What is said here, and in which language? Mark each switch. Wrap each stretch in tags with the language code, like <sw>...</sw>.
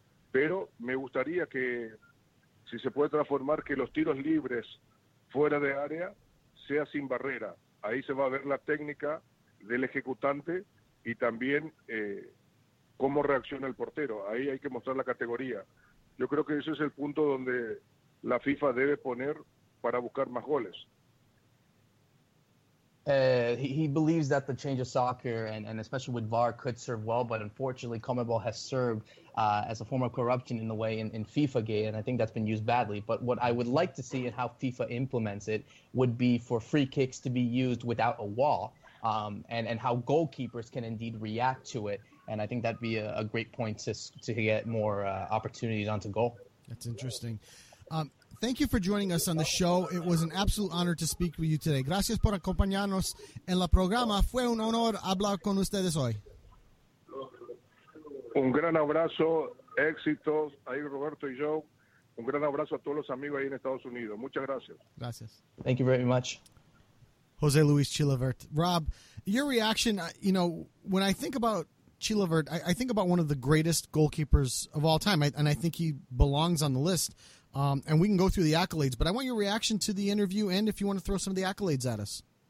<es>Pero me gustaría que, si se puede transformar, que los tiros libres fuera de área sea sin barrera. Ahí se va a ver la técnica del ejecutante y también cómo reacciona el portero. Ahí hay que mostrar la categoría. Yo creo que ese es el punto donde la FIFA debe poner para buscar más goles.</es> <en>He believes that the change of soccer and especially with VAR could serve well, but unfortunately CONMEBOL has served as a form of corruption in the way in FIFA Gate, and I think that's been used badly. But what I would like to see and how FIFA implements it would be for free kicks to be used without a wall, and how goalkeepers can indeed react to it, and I think that'd be a great point to get more opportunities onto goal. That's interesting. Thank you for joining us on the show. It was an absolute honor to speak with you today.</en> <es>Gracias por acompañarnos en la programa. Fue un honor hablar con ustedes hoy. Un gran abrazo, éxitos, ahí Roberto y yo. Un gran abrazo a todos los amigos ahí en Estados Unidos. Muchas gracias. Gracias.</es> <en>Thank you very much. José Luis Chilavert. Rob, your reaction, you know, when I think about Chilavert, I think about one of the greatest goalkeepers of all time, and I think he belongs on the list. And we can go through the accolades, but I want your reaction to the interview and if you want to throw some of the accolades at us.</en>